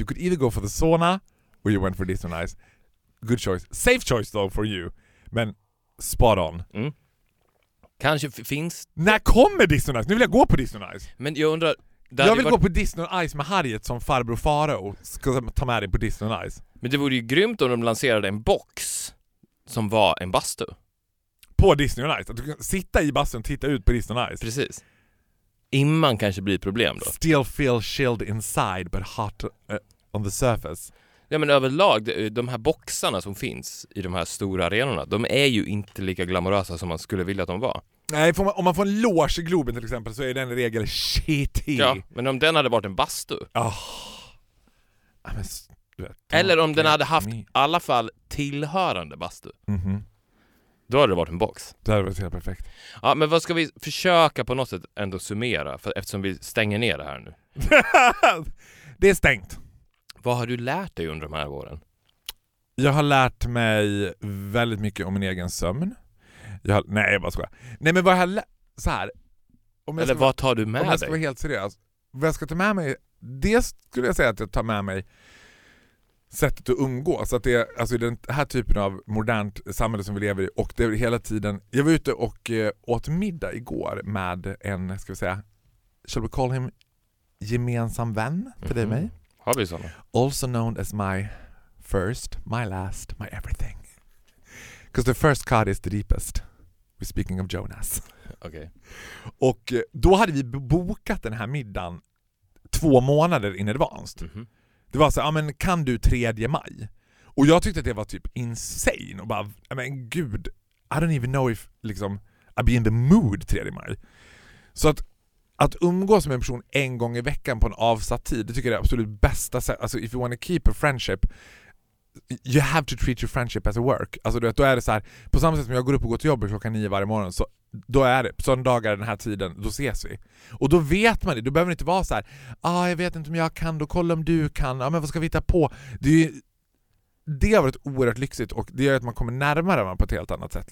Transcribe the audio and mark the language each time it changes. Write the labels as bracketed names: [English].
[English] You could either go for the sauna or you went for Disney on Ice. Good choice. Safe choice though for you. Men spot on. [Swedish] Mm. Kanske finns... När kommer Disney on Ice? Nu vill jag gå på Disney on Ice. Men jag undrar... Jag vill gå på Disney on Ice med Harriet som farbror Faro och ska ta med dig på Disney on Ice. Men det vore ju grymt om de lanserade en box som var en bastu. På Disney on Ice. Att du kan sitta i bastun och titta ut på Disney on Ice. Precis. Imman kanske blir problem då. [English] Still feel chilled inside but hot on the surface. [Swedish] Ja, men överlag, de här boxarna som finns i de här stora arenorna, de är ju inte lika glamorösa som man skulle vilja att de var. Nej, om man får en loge i Globen till exempel så är den regel shitty. Ja, men om den hade varit en bastu. Oh. Ja, men, du vet, eller om den hade haft i alla fall tillhörande bastu. Mm-hmm. Då hade det varit en box. Det hade varit helt perfekt. Ja, men vad ska vi försöka på något sätt ändå summera, för eftersom vi stänger ner det här nu? Det är stängt. Vad har du lärt dig under de här åren? Jag har lärt mig väldigt mycket om min egen sömn. Nej, men vad jag har lärt... Så här. Eller vad tar du med dig? Om jag ska vara helt seriös. Vad jag ska ta med mig... Det skulle jag säga att jag tar med mig sättet att umgås. Så att det är, alltså, den här typen av modernt samhälle som vi lever i. Och det är hela tiden... Jag var ute och åt middag igår med en, ska vi säga... [English] Shall we call him [Swedish] gemensam vän för dig och mig? Har vi sådana? [English] Also known as my first, my last, my everything. Because the first card is the deepest. We're speaking of Jonas. Okay. [Swedish] Och då hade vi bokat den här middagen 2 månader [English] in advanced. Mm-hmm. [Swedish] Det var så, ja, men kan du 3 maj? Och jag tyckte att det var typ insane. Och bara, men gud, [English] I don't even know if liksom, I'd be in the mood 3 maj. [Swedish] Så att att umgås med en person en gång i veckan på en avsatt tid, det tycker jag är absolut bästa sätt. [English] Alltså, if you want to keep a friendship, you have to treat your friendship as a work. [Swedish] Alltså, då är det så här, på samma sätt som jag går upp och går till jobbet 9 varje morgon, så då är det, söndagar den här tiden, då ses vi. Och då vet man det, då behöver inte vara så här, ah, jag vet inte om jag kan, då kolla om du kan, ah, men vad ska vi hitta på? Det, det har varit oerhört lyxigt och det gör att man kommer närmare varandra på ett helt annat sätt.